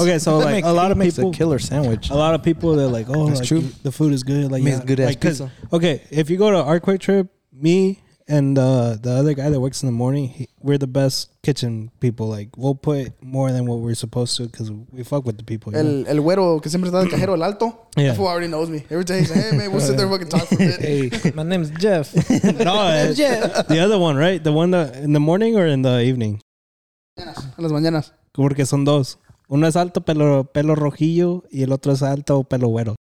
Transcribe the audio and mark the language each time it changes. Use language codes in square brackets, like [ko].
[en] Okay, so like a lot of people. Makes a killer sandwich. A lot of people, they're like, oh, like, the food is good. Like, makes good ass like, pizza. Okay, if you go to our Quick Trip, me and the other guy that works in the morning, we're the best kitchen people. Like, we'll put more than what we're supposed to because we fuck with the people. [es] El güero que siempre está en el cajero, el alto. [en] Yeah. That fool already knows me. Every day he's like, hey, man, we'll sit there and fucking talk for a bit. Hey, my name's Jeff. No, it's Jeff. The other one, right? The one that in the morning or in the evening? [es] En las mañanas. Porque son dos. Uno es alto, pelo rojillo, y el otro es alto, pelo güero.